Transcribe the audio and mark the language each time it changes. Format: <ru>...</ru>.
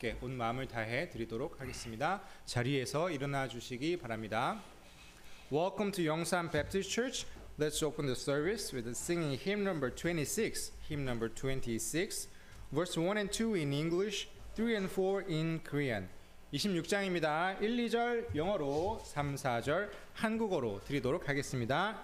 <ko>하나님께 온 마음을 다해 드리도록 하겠습니다. 자리에서 일어나 주시기 바랍니다.</ko> <en>Welcome to Yongsan Baptist Church. Let's open the service with the singing hymn number 26. Hymn number 26, verse 1 and 2 in English, 3 and 4 in Korean.</en> <ko>26장입니다. 1, 2절 영어로, 3, 4절 한국어로 드리도록 하겠습니다.</ko>